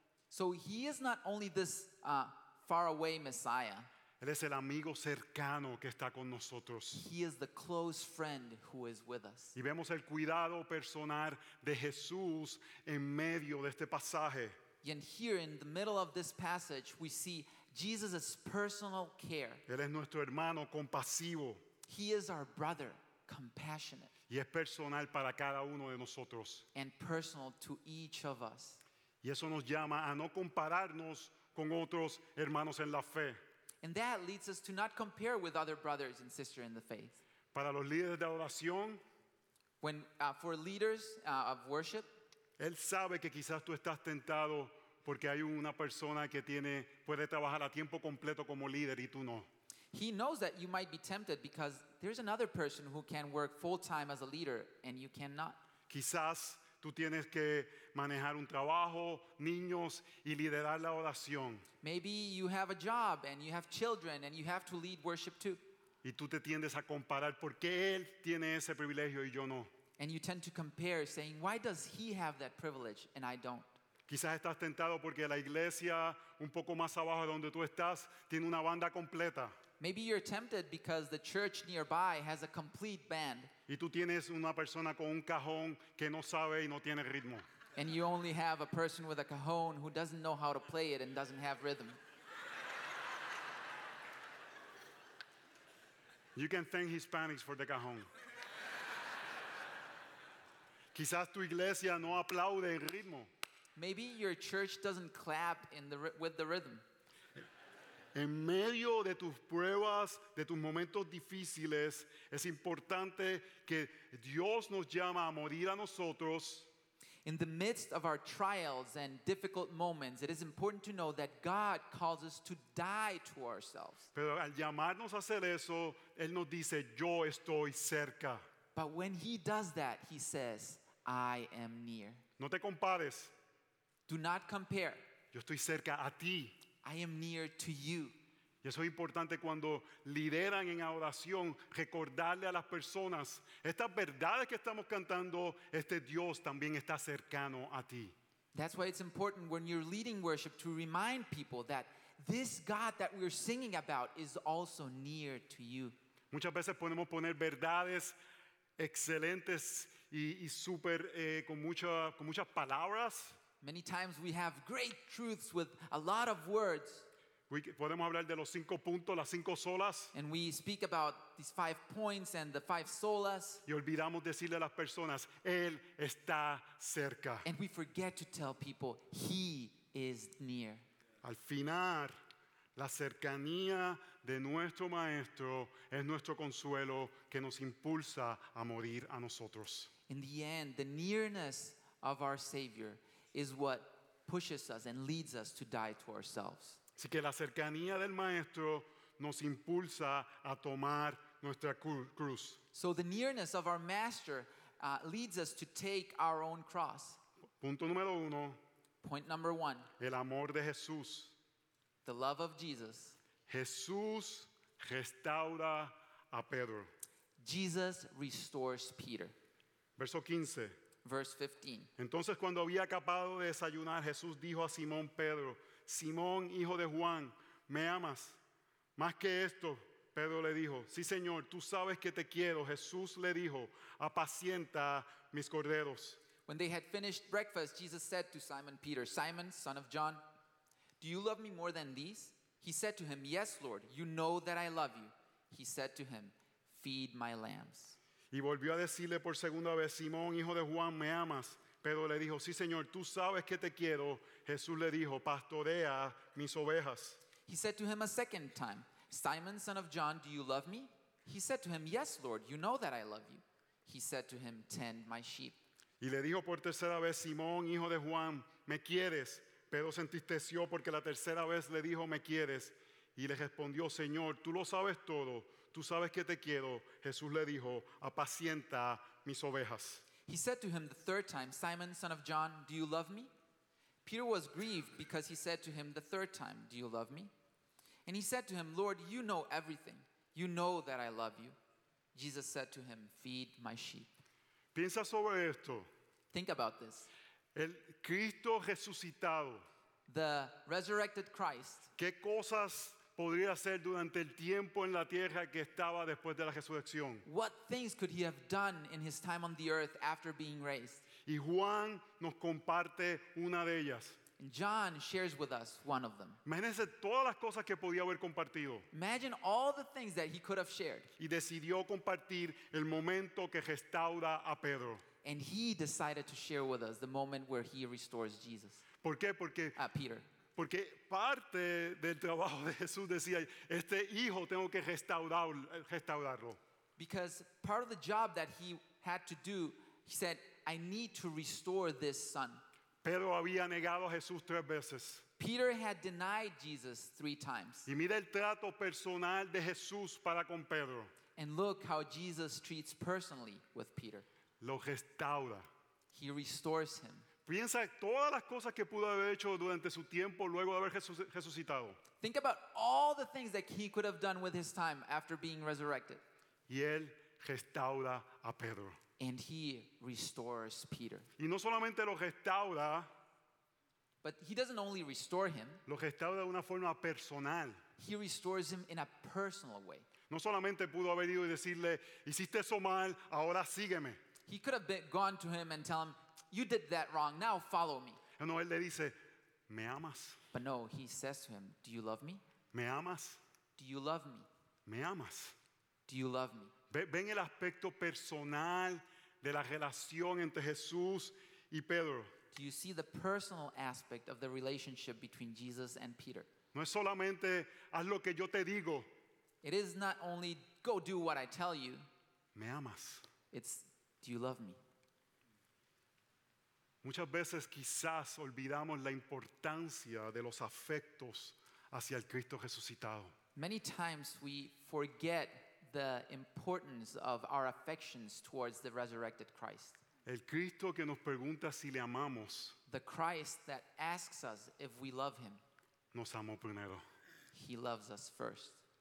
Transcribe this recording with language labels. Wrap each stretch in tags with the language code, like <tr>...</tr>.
<en>So he is not only this far away Messiah.</en> <es>Él es el amigo cercano que está con nosotros.</es> <en>He is the close friend who is with us.</en> <es>Y vemos el cuidado personal de Jesús en medio de este pasaje.</es> <en>And here in the middle of this passage we see Jesus' personal care.</en> <es>Él es nuestro hermano compasivo.</es> <en>He is our brother, compassionate.</en> <es>Y es personal para cada uno de nosotros.</es> <en>And personal to each of us.</en> <es>Y eso nos llama a no compararnos con otros hermanos en la fe.</es> <en>And that leads us to not compare with other brothers and sisters in the faith.</en> <es>Para los líderes de adoración,</es> <en>for leaders of worship,</en> <es>él sabe que quizás tú estás tentado porque hay una persona que puede trabajar a tiempo completo como líder y tú no.</es> <en>He knows that you might be tempted because there's another person who can work full time as a leader and you cannot.</en> <es>Quizás tú tienes que manejar un trabajo, niños y liderar la oración.</es> <en>Maybe you have a job and you have children and you have to lead worship too.</en> <es>Y tú te tiendes a comparar por qué él tiene ese privilegio y yo no.</es> <en>And you tend to compare saying, why does he have that privilege and I don't?</en> <es>Quizás estás tentado porque la iglesia un poco más abajo de donde tú estás tiene una banda completa.</es> <en>Maybe you're tempted because the church nearby has a complete band.</en> <es>Y tú tienes una persona con un cajón que no sabe y no tiene ritmo.</es> <en>And you only have a person with a cajón who doesn't know how to play it and doesn't have rhythm. You can thank Hispanics for the cajón.</en> <es>Quizás tu iglesia no aplaude el ritmo.</es> <en>Maybe your church doesn't clap with the rhythm.</en> <es>En medio de tus pruebas, de tus momentos difíciles, es importante que Dios nos llama a morir a nosotros.</es> <en>In the midst of our trials and difficult moments, it is important to know that God calls us to die to ourselves.</en> <es>Pero al llamarnos a hacer eso, Él nos dice, yo estoy cerca.</es> <en>But when He does that, He says, I am near.</en> <es>No te compares.</es> <en>Do not compare.</en> <es>Yo estoy cerca a ti.</es> <en>I am near to you.</en> <es>Y eso es importante cuando lideran en adoración, recordarle a las personas estas verdades que estamos cantando, este Dios también está cercano a ti.</es> <en>That's why it's important when you're leading worship to remind people that this God that we're singing about is also near to you.</en> <es>Muchas veces podemos poner verdades excelentes y super con muchas palabras.</es> <en>Many times we have great truths with a lot of words.</en> <es>Podemos hablar de los cinco puntos, las cinco solas.</es> <en>And we speak about these five points and the five solas.</en> <es>Y olvidamos decirle a las personas, Él está cerca.</es> <en>And we forget to tell people, He is near.</en> <es>Al final, la cercanía de nuestro Maestro es nuestro consuelo que nos impulsa a morir a nosotros.</es> <en>In the end, the nearness of our Savior is what pushes us and leads us to die to ourselves.</en> <es>Así que la cercanía del Maestro nos impulsa a tomar nuestra cruz.</es> <en>So the nearness of our Master leads us to take our own cross.</en> <es>Punto número uno.</es> <en>Point number one.</en> <es>El amor de Jesús.</es> <en>The love of Jesus.</en> <es>Jesús restaura a Pedro.</es> <en>Jesus restores Peter.</en> <es>Verso 15.</es> <en>Verse 15.</en> <es>Entonces cuando había acabado de desayunar, Jesús dijo a Simón Pedro, Simón, hijo de Juan, ¿me amas más que esto? Pedro le dijo, sí, Señor, tú sabes que te quiero. Jesús le dijo, apacienta mis corderos.</es> <en>When they had finished breakfast, Jesus said to Simon Peter, Simon, son of John, do you love me more than these? He said to him, yes, Lord, you know that I love you. He said to him, feed my lambs.</en> <es>Y volvió a decirle por segunda vez, Simón, hijo de Juan, ¿me amas? Pedro le dijo, sí, Señor, tú sabes que te quiero. Jesús le dijo, pastorea mis ovejas.</es> <en>He said to him a second time, Simon, son of John, do you love me? He said to him, yes, Lord, you know that I love you. He said to him, tend my sheep.</en> <es>Y le dijo por tercera vez, Simón, hijo de Juan, ¿me quieres? Pedro se entristeció porque la tercera vez le dijo, ¿me quieres? Y le respondió, Señor, tú lo sabes todo. Tú sabes que te quiero. Jesús le dijo, apacienta mis ovejas.</es> <en>He said to him the third time, Simon, son of John, do you love me? Peter was grieved because he said to him the third time, do you love me? And he said to him, Lord, you know everything. You know that I love you. Jesus said to him, feed my sheep.</en> <es>Piensa sobre esto.</es> <en>Think about this.</en> <es>El Cristo resucitado.</es> <en>The resurrected Christ.</en> <es>¿Qué cosas podría hacer durante el tiempo en la tierra que estaba después de la resurrección?</es> <en>What things could he have done in his time on the earth after being raised?</en> <es>Y Juan nos comparte una de ellas.</es> <en>And John shares with us one of them.</en> <es>Imagínese todas las cosas que podía haber compartido.</es> <en>Imagine all the things that he could have shared.</en> <es>Y decidió compartir el momento que restaura a Pedro.</es> <en>And he decided to share with us the moment where he restores Jesus.</en> <es>¿Por qué? Porque</es> <en>Peter.</en> <es>Porque parte del trabajo de Jesús decía, este hijo tengo que restaurarlo.</es> <en>Because part of the job that he had to do, he said, I need to restore this son.</en> <es>Pedro había negado a Jesús tres veces.</es> <en>Peter had denied Jesus three times.</en> <es>Y mira el trato personal de Jesús para con Pedro.</es> <en>And look how Jesus treats personally with Peter.</en> <es>Lo restaura.</es> <en>He restores him.</en> <es>Piensa todas las cosas que pudo haber hecho durante su tiempo luego de haber resucitado.</es> <en>Think about all the things that he could have done with his time after being resurrected.</en> <es>Y él restaura a Pedro.</es> <en>And he restores Peter.</en> <es>Y no solamente lo restaura.</es> <en>But he doesn't only restore him.</en> <es>Lo restaura de una forma personal.</es> <en>He restores him in a personal way.</en> <es>No solamente pudo haber ido y decirle, hiciste eso mal, ahora sígueme.</es> <en>He could have gone to him and tell him, you did that wrong, now follow me.</en> <es>No, él le dice, ¿me amas?</es> <en>But no, he says to him, do you love me?</en> <es>¿Me amas?</es> <en>Do you love me?</en> <es>¿Me amas?</es> <en>Do you love me?</en> <es>Ven el aspecto personal de la relación entre Jesús y Pedro.</es> <en>Do you see the personal aspect of the relationship between Jesus and Peter?</en> <es>No es solamente haz lo que yo te digo.</es> <en>It is not only go do what I tell you.</en> <es>¿Me amas?</es> <en>It's do you love me?</en> <es>Muchas veces quizás olvidamos la importancia de los afectos hacia el Cristo resucitado.</es> <en>Many times we forget the importance of our affections towards the resurrected Christ.</en> <es>El Cristo que nos pregunta si le amamos.</es> <en>The Christ that asks us if we love him.</en> <es>Nos amó primero.</es> <en>He loves us first.</en>